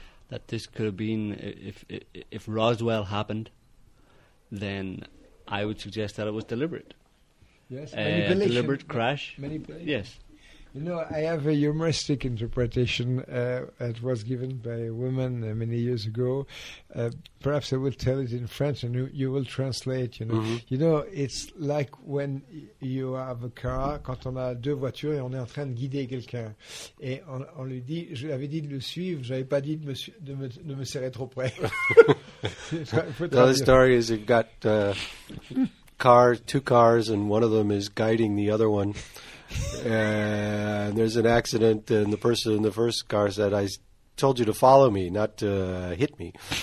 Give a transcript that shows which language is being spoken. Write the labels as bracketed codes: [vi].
[en] that this could have been, if Roswell happened, then I would suggest that it was deliberate. Yes, manipulation. A deliberate crash. Manipulation. Yes. You know, I have a humoristic interpretation that was given by a woman many years ago. Perhaps I will tell it in French and you will translate, Mm-hmm. You know, it's like when you have a car, [fr] quand on a deux voitures et on est en train de guider quelqu'un. Et on lui dit, je lui avais dit de le suivre, je n'avais pas dit de me serrer trop près. [en] The other story is you've got two cars and one of them is guiding the other one. And there's an accident, and the person in the first car said, I told you to follow me, not to hit me.